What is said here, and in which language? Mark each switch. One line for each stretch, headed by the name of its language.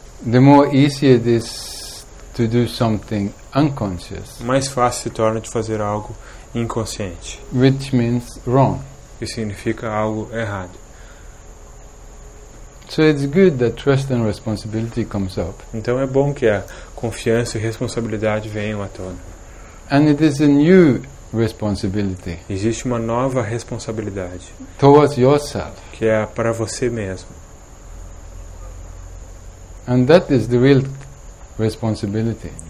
English: the more easy it is to do something unconscious,
Portuguese: mais fácil se torna de fazer algo inconsciente,
English: which means wrong,
Portuguese: que significa algo errado.
English: So it's good that trust and responsibility comes up.
Portuguese: Então é bom que a confiança e responsabilidade venham à tona.
English: And it is a new responsibility.
Portuguese: Existe uma nova responsabilidade.
English: Towards yourself.
Portuguese: Que é para você mesmo.
English: And that is the real responsibility.